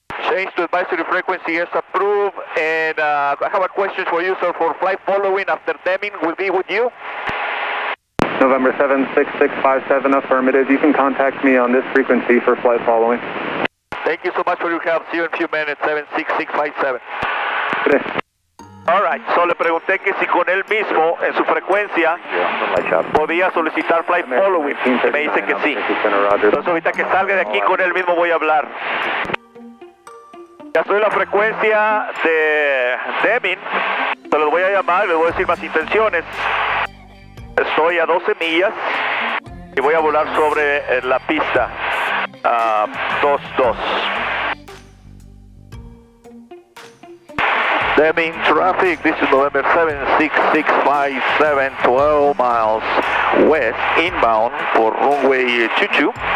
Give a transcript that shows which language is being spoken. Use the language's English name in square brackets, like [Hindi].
[English] Change to advisory frequency is approved, and I have a question for you, sir, for flight following after Deming will be with you. November 76657, affirmative, you can contact me on this frequency for flight following. Thank you so much for your help, see you in a few minutes, 76657. [Spanish] Alright, so le pregunté que si con él mismo, en su frecuencia, podía solicitar flight following, y me dice que sí. Entonces ahorita que salga de aquí, con él mismo voy a hablar. Ya estoy en la frecuencia de Deming, se los voy a llamar, les voy a decir más intenciones. Estoy a 12 millas, y voy a volar sobre la pista, a 2-2. [English] Deming traffic, this is November 76657, 12 miles west, inbound for runway 22.